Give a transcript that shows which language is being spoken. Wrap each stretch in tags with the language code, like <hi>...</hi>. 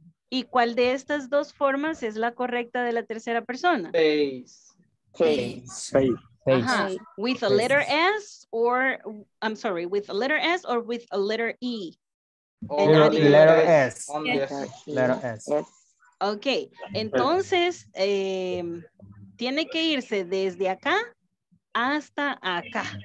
<es>¿Y cuál de estas dos formas es la correcta de la tercera persona?</es> <en>Pay. Uh-huh. With a letter S or, I'm sorry, with a letter S or with a letter E? Letter S.</en> <es>Ok, entonces tiene que irse desde acá hasta acá.</es>